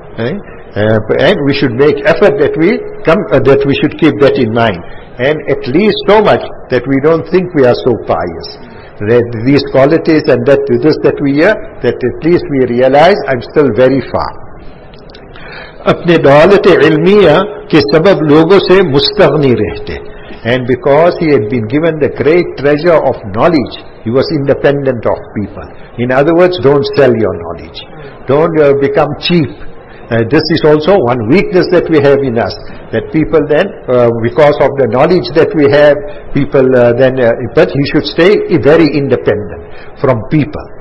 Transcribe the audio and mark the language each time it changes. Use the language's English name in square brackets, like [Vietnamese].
[English] And we should make effort that we come, that we should keep that in mind. And at least so much that we don't think we are so pious. That these qualities and that this that we hear, that at least we realize I'm still very far. [Urdu] اپنے دولت علمیہ کے سبب لوگوں سے مستغنی رہتے. [English] And because he had been given the great treasure of knowledge, he was independent of people. In other words, don't sell your knowledge. Don't become cheap. This is also one weakness that we have in us, that people then, because of the knowledge that we have, people then, but he should stay very independent from people.